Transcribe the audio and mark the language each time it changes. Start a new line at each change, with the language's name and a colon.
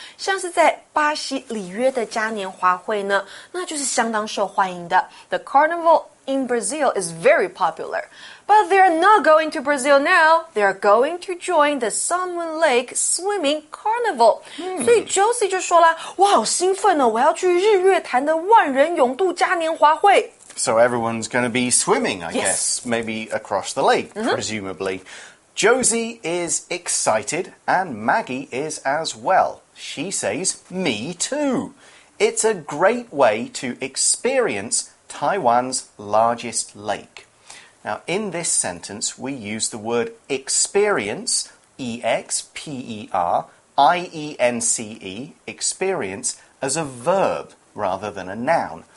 Chinese: 像是在巴西里约的嘉年华会呢,那就是相当受欢迎的。
English: The Carnival in Brazil is very popular. But they are not going to Brazil now. They are going to join the Sun Moon Lake Swimming Carnival. Hmm.
Chinese: 所以 Josie 就说了，我好兴奋哦，我要去日月潭的万人泳渡嘉年华会。
English: So everyone's going to be swimming, I guess. Maybe across the lake, presumably. Josie is excited and Maggie is as well. She says, me too. It's a great way to experience Taiwan's largest lake. Now, in this sentence, we use the word experience, E-X-P-E-R-I-E-N-C-E, experience, as a verb rather than a noun.